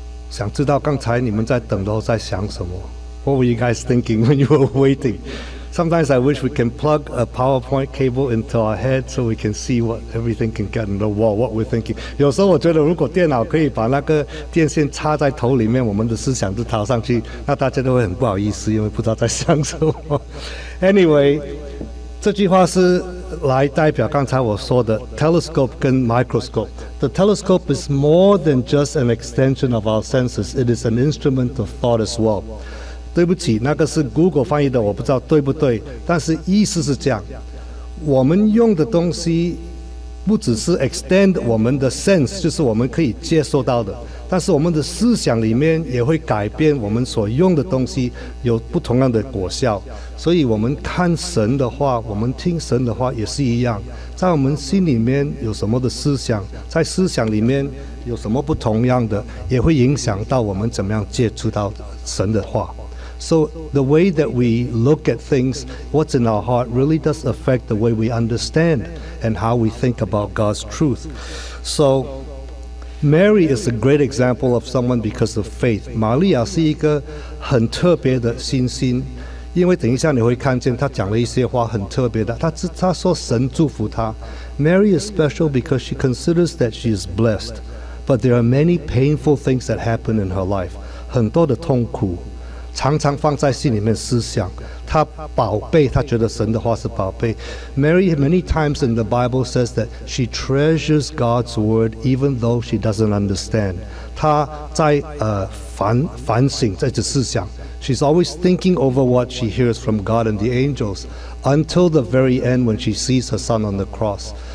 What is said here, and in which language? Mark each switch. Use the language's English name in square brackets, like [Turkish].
[Chinese] 想知道刚才你们在等的时候在想什么? [English] What were you guys thinking when you were waiting? Sometimes I wish we can plug a PowerPoint cable into our head so we can see what everything can get in the wall, what we're thinking. [Chinese] 有时候我觉得如果电脑可以把那个电线插在头里面, 我们的思想就逃上去, 那大家都会很不好意思, 因为不知道在想什么。 Anyway, 这句话是 来代表刚才我说的 telescope 跟 microscope. [English] The telescope is more than just an extension of our senses. It is an instrument of thought as well. [Chinese] 对不起, 那个是Google 翻译的, 我不知道对不对, 但是意思是这样, 我们用的东西 不只是extend 我们的sense, 就是我们可以接受到的, 但是我们的思想里面也会改变我们所用的东西有不同样的果效，所以我们看神的话，我们听神的话也是一样，在我们心里面有什么的思想，在思想里面有什么不同样的，也会影响到我们怎么样接触到神的话。 [English] So the way that we look at things, what's in our heart, really does affect the way we understand and how we think about God's truth. So Mary is a great example of someone because of faith. [Chinese] 玛利亚是一个很特别的信心，因为等一下你会看见她讲了一些话很特别的，她说神祝福她。 [English] Mary is special because she considers that she is blessed, but there are many painful things that happen in her life, [Chinese] 很多的痛苦。常常放在心里面思想，她宝贝，她觉得神的话是宝贝。 [English] Mary many times in the Bible says that she treasures God's word even though she doesn't understand. [Chinese] 她在反省，在这思想。 [English] She's always thinking over what she hears from God and the angels until the very end when she sees her son on the cross.